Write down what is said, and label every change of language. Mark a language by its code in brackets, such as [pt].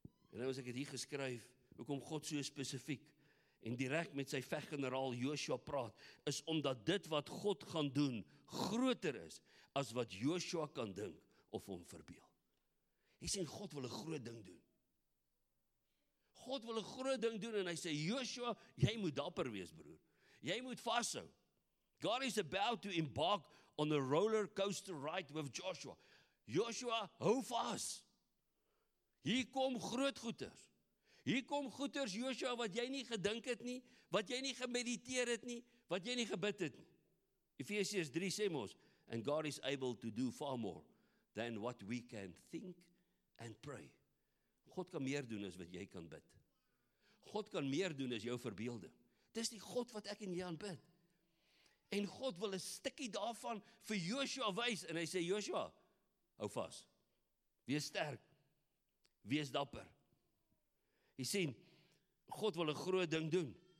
[af] En nou as ek het hier geskryf, hoekom God so spesifiek en direct met sy veggeneraal Joshua praat, is omdat dit wat God gaan doen groter is as wat Joshua kan dink of hom verbeel. Hy sê God wil 'n groot ding doen. God wil 'n groot ding doen en hy sê, Joshua, jy moet dapper wees, broer. Jy moet vashou. [en] God is about to embark on a roller coaster ride with Joshua. [af] Joshua, hou vas. Hier kom groot goeters. Hier kom goeters, Joshua, wat jy nie gedink het nie, wat jy nie gemediteer het nie, wat jy nie gebid het nie. Efesiërs 3 sê ons, [en] and God is able to do far more than what we can think and pray. [af] God kan meer doen as wat jy kan bid. God kan meer doen as jou verbeelde. Dis die God wat ek en jy aanbid. En God wil 'n stukkie daarvan vir Joshua wys en hy sê, Joshua, hou vas. Wees sterk. Wees dapper. Jy sien, God wil 'n groot ding doen.